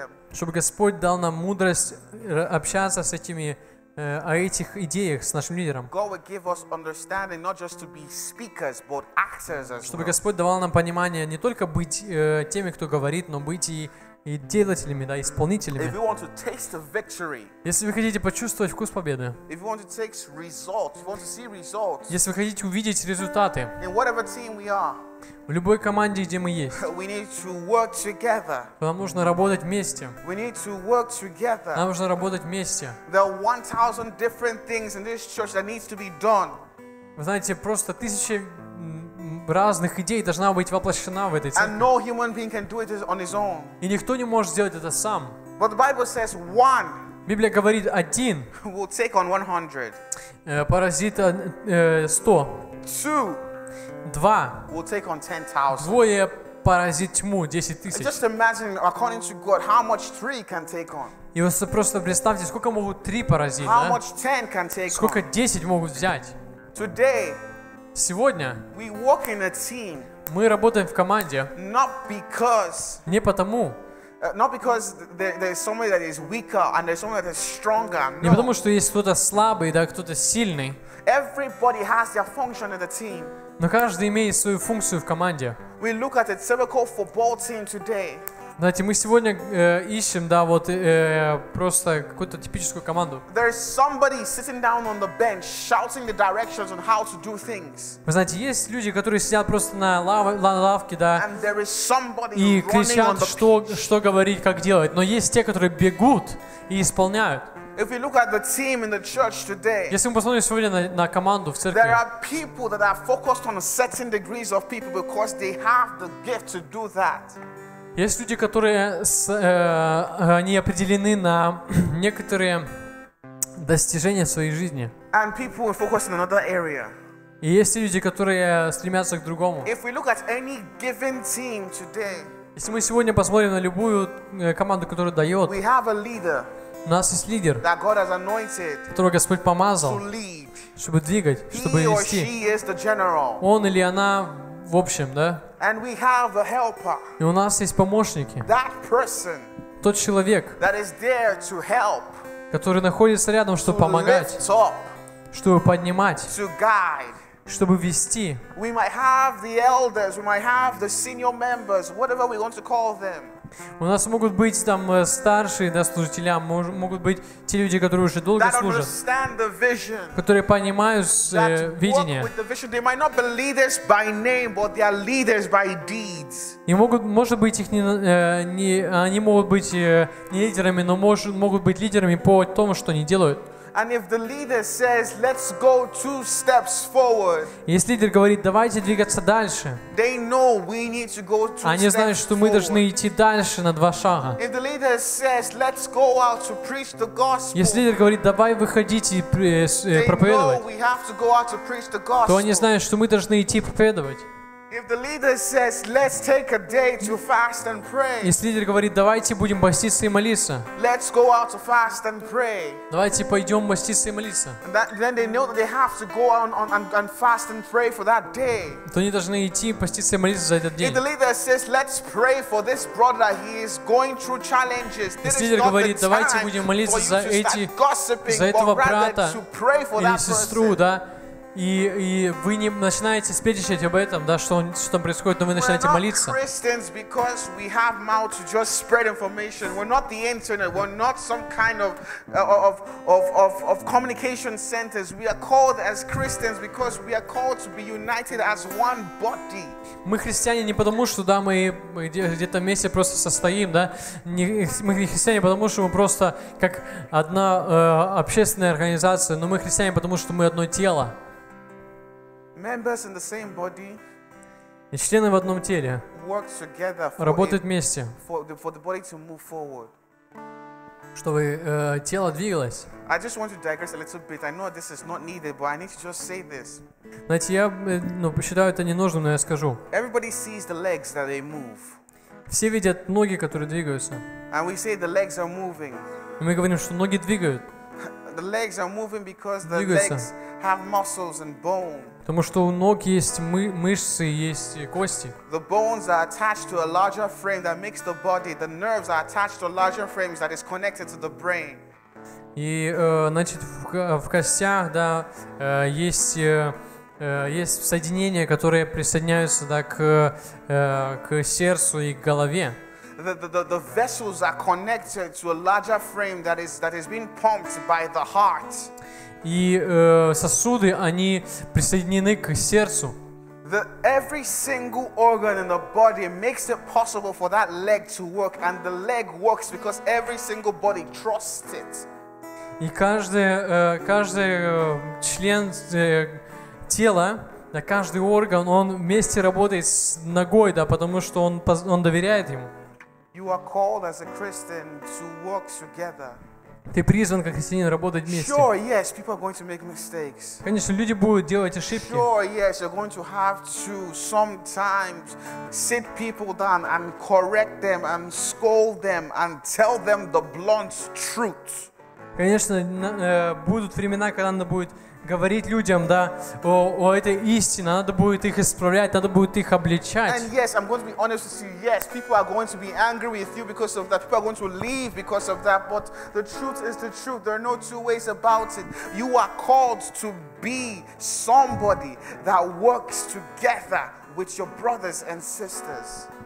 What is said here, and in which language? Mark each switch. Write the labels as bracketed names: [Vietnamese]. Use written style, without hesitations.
[Russian] Чтобы Господь дал нам мудрость общаться с этими о этих идеях с нашим лидером. Чтобы Господь давал нам понимание не только быть теми, кто говорит, но быть и и делателями, да, исполнителями. [English] If you want to taste the victory, [Russian] если вы хотите почувствовать вкус победы, [English] if you want to taste results, you want to see results, [Russian] если вы хотите увидеть результаты, [English] in whatever team we are, [Russian] в любой команде, где мы есть, [English] we need to work together. [Russian] Нам нужно работать вместе. [English] We need to work together. [Russian] Нам нужно работать вместе. [English] There are 1,000 different things in this church that needs to be done. [Russian] Вы знаете, просто тысячи разных идей должна быть воплощена в этой церкви. [English] And no human being can do it on his own. [Russian] И никто не может сделать это сам. [English] But the Bible says one. [Russian] Библия говорит, один [English] will take on 100. [Russian] Поразит 100. [English] Two. [Russian] Два. [English] Will take on 10,000. [Russian] Двое поразит тьму, 10,000. [English] Just imagine, according to God, how much three can take on. [Russian] И вы просто представьте, сколько могут три поразить, [English] how [Russian] да? [English] Much 10 can take on. [Russian] Сколько 10 могут взять? [English] Today, [Russian] сегодня [English] we work in a team, [Russian] мы работаем в команде [English] not because, [Russian] не потому, [English] not because there's somebody that is weaker and there's somebody that is stronger. No. [Russian] Не потому, что есть кто-то слабый, да, кто-то сильный. [English] Everybody has their function in the team. [Russian] Но каждый имеет свою функцию в команде. [English] We look at a typical football team today. [Russian] Знаете, мы сегодня ищем, да, вот просто какую-то типическую команду. [English] There is somebody sitting down on the bench shouting the directions on how to do things. [Russian] Вы знаете, есть люди, которые сидят просто на лавке, да, [English] and there is somebody [Russian] и кричат, [English] running on the pitch. [Russian] Что говорить, как делать. Но есть те, которые бегут и исполняют. [English] If we look at the team in the church today, [Russian] если мы посмотрим сегодня на команду в церкви, [English] there are people that are focused on certain degrees of people because they have the gift to do that. [Russian] Есть люди, которые они определены на некоторые достижения в своей жизни. [English] And people focus in another area. [Russian] И есть люди, которые стремятся к другому. [English] If we look at any given team today, [Russian] если мы сегодня посмотрим на любую команду, которая дает, [English] we have a leader, [Russian] у нас есть лидер, [English] that God has anointed, [Russian] которого Господь помазал, [English] to lead, [Russian] чтобы двигать, чтобы вести. [English] He or she is the general. [Russian] Он или она в общем, да? [English] And we have a helper. [Russian] И у нас есть помощники. [English] That person. [Russian] Тот человек. [English] That is there to help. [Russian] Который находится рядом, чтобы [English] to [Russian] помогать. [English] Lift up, [Russian] чтобы поднимать. [English] To guide. [Russian] Чтобы вести. [English] We might have the elders, we might have the senior members, whatever we want to call them. [Russian] У нас могут быть там старшие, да, служители, могут быть те люди, которые уже долго служат, [English] vision, [Russian] которые понимают видение. [English] Name, [Russian] и могут, может быть, их не они могут быть не лидерами, но могут быть лидерами по тому, что они делают. [English] And if the leader says, "Let's go two steps forward," [Russian] если лидер говорит, давайте двигаться дальше, [English] they know we need to go two steps forward. [Russian] Они знают, что мы должны идти дальше на два шага. [English] If the leader says, "Let's go out to preach the gospel," [Russian] если лидер говорит, давай выходите и проповедовать, [English] they know we have to go out to preach the gospel. [Russian] То они знают, что мы должны идти проповедовать. [English] If the leader says, "Let's take a day to fast and pray," [Russian] если лидер говорит, давайте будем поститься и молиться, [English] let's go out to fast and pray. [Russian] Давайте пойдем поститься и молиться. [English] And that, then they know that they have to go on and fast and pray for that day. [Russian] То они должны идти поститься и молиться за этот день. [English] If the leader says, "Let's pray for this brother. He is going through challenges." [Russian] Если лидер говорит, давайте будем молиться за эти, за этого брата или сестру, да? И вы не начинаете спечатать об этом, да, что там происходит, но вы начинаете молиться. [English] We're not Christians because we have mouth to just spread information. We're not the internet. We're not some kind of communication centers. We are called as Christians because we are called to be united as one body. [Russian] Мы христиане не потому, что да, мы где-то вместе просто состоим, да. Мы не христиане, потому что мы просто как одна общественная организация, но мы христиане, потому что мы одно тело. [English] Members in the same body. [Russian] И члены в одном теле. [English] Work together. [Russian] Работают вместе. [English] For the body to move forward. [Russian] Чтобы тело двигалось. [English] I just want to digress a little bit. I know this is not needed, but I need to just say this. [Russian] Знаете, я, ну, посчитаю это ненужным, но я скажу. [English] Everybody sees the legs that they move. [Russian] Все видят ноги, которые двигаются. [English] And we say the legs are moving. [Russian] И мы говорим, что ноги двигают. [English] The legs are moving because the legs have muscles and bone. [Russian] Потому что у ног есть мышцы, есть кости. [English] The bones are attached to a larger frame that makes the body. The nerves are attached to larger frames that is connected to the brain. [Russian] И значит в костях, да, есть соединения, которые присоединяются, да, к сердцу и к голове. [English] the vessels are connected to a larger frame that is being pumped by the heart. [Russian] И сосуды, они присоединены к сердцу. [English] The every single organ in the body makes it possible for that leg to work, and the leg works because every single body trusts it. [Russian] И каждый член тела, да, каждый орган, он вместе работает с ногой, да, потому что он доверяет ему. [English] You are called as a Christian to work together. [Russian] Ты призван как христианин работать вместе. [English] Sure, yes, people are going to make mistakes. [Russian] Конечно, люди будут делать ошибки. [English] Sure, yes, you're going to have to sometimes sit people down and correct them and scold them and tell them the blunt truth. [Russian] Конечно, будут времена, когда надо будет говорить людям, да, о этой истине, надо будет их исправлять, надо будет их обличать. [English] And yes, I'm going to be honest with you. Yes, people are going to be angry with you because of that. People are going to leave because of that. But the truth is the truth. There are no two ways about it. You are called to be somebody that works together with your brothers and sisters.